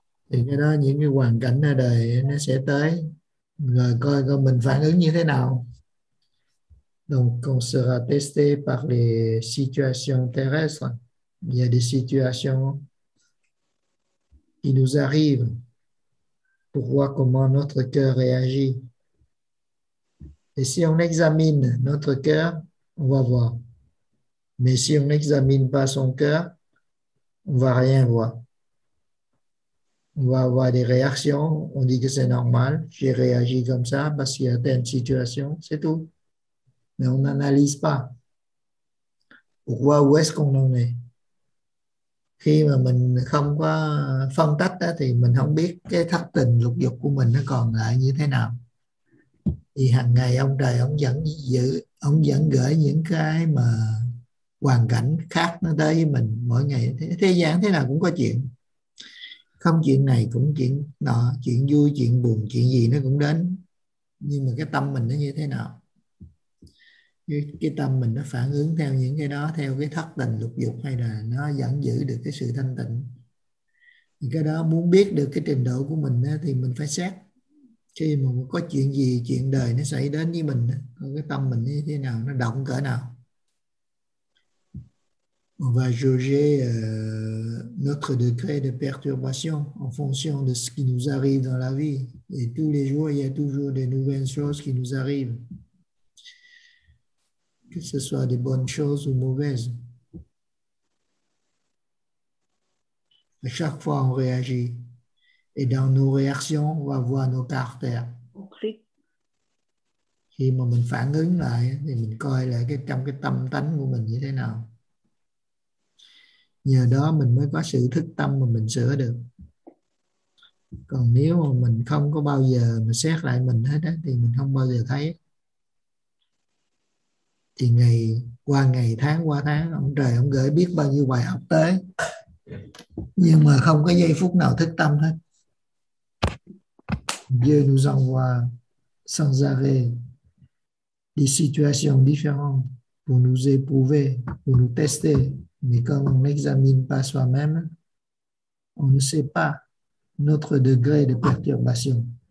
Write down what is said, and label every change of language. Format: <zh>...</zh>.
<vi>Thì cái đó những cái hoàn cảnh ở đời nó sẽ tới, rồi coi coi mình phản ứng như thế nào.</vi> <fr>Donc on sera testé par les situations terrestres. Il y a des situations qui nous arrivent pour voir comment notre cœur réagit. Et si on examine notre cœur, on va voir. Mais si on n'examine pas son cœur, on ne va rien voir. On va avoir des réactions, on dit que c'est normal, j'ai réagi comme ça parce qu'il y a telle situation, c'est tout. Mais on n'analyse pas. Pourquoi, où est-ce qu'on en est?</fr> <vi>Khi mà mình không có phân tách đó, thì mình không biết cái thất tình lục dục của mình nó còn lại như thế nào. Thì hàng ngày ông trời ông vẫn giữ, ông vẫn gửi những cái mà hoàn cảnh khác nó tới với mình mỗi ngày. Thế gian thế nào cũng có chuyện. Không chuyện này cũng chuyện nọ, chuyện vui, chuyện buồn, chuyện gì nó cũng đến. Nhưng mà cái tâm mình nó như thế nào? Cái tâm mình nó phản ứng theo những cái đó, theo cái thất tình lục dục, hay là nó vẫn giữ được cái sự thanh tịnh. Cái đó muốn biết được cái trình độ của mình thì mình phải xét. Khi mà có chuyện gì, chuyện đời nó xảy đến với mình, cái tâm mình như thế nào, nó động cỡ nào.</vi> <fr>On va juger notre degré de perturbation en fonction de ce qui nous arrive dans la vie. Et tous les jours, il y a toujours des nouvelles choses qui nous arrivent. Que ce soit des bonnes choses ou mauvaises. À chaque fois, on réagit. Et dans nos réactions, on va voir nos caractères.</fr> <vi>Khi mà mình phản ứng lại, thì mình coi lại cái, trong cái tâm tánh của mình như thế nào. Nhờ đó mình mới có sự thức tâm mà mình sửa được. Còn nếu mà mình không có bao giờ mà xét lại mình hết đó, thì mình không bao giờ thấy. Thì ngày qua ngày, tháng qua tháng, ông trời ông gửi biết bao nhiêu bài học tới, nhưng mà không có giây phút nào thức tâm hết.</vi> <fr>Dieu nous envoie sans arrêt des situations différentes pour nous éprouver, pour nous tester. Mais quand on n'examine pas soi-même, on ne sait pas notre degré de perturbation.</fr>